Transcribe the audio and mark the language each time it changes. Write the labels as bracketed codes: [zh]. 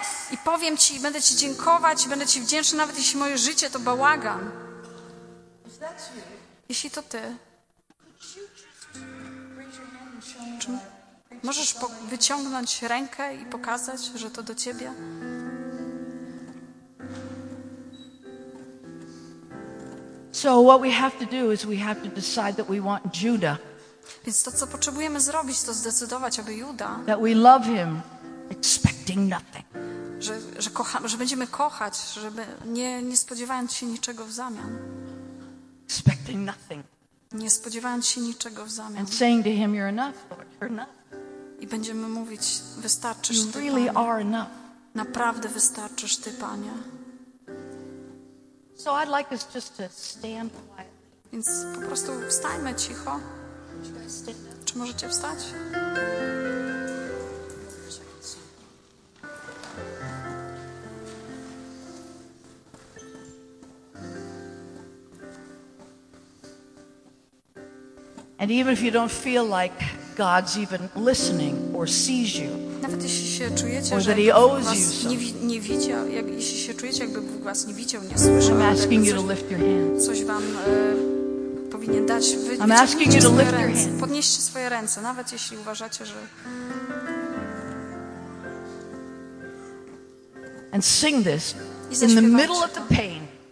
[pl] I powiem Ci, będę Ci dziękować, będę Ci wdzięczny, nawet jeśli moje życie to bałagan. Jeśli to Ty, czy możesz wyciągnąć rękę i pokazać, że to do Ciebie? [en] So what we have to do is we have to decide that we want Judah. [pl] Więc to, co potrzebujemy zrobić, to zdecydować, aby Juda. [en] That we love him, expecting nothing. [pl] Że będziemy kochać, żeby nie spodziewając się niczego w zamian. [en] Expecting nothing. [pl] Nie spodziewając się niczego w zamian. [en] And saying to him, you're enough, Lord, you're enough. [pl] I będziemy mówić, wystarczysz [en] you really [pl] Ty, Panie. [en] Are enough. [pl] Naprawdę wystarczysz Ty, Panie. [en] So I'd like us just to stand quietly. [pl] Więc po prostu wstańmy cicho. Czy możecie wstać? [en] And even if you don't feel like God's even listening or sees you, [pl] nawet jeśli się czujecie, [en] or that He owes you something, [pl] nie widział, jeśli się czujecie, jakby Bóg was nie widział, nie słyszał, [en] I'm asking you to lift your hands. [pl] Coś wam powinien dać. [en] I'm asking you to lift your hands. [pl] Podnieście swoje ręce, nawet jeśli uważacie, że. [en] And sing this in the middle of the pain.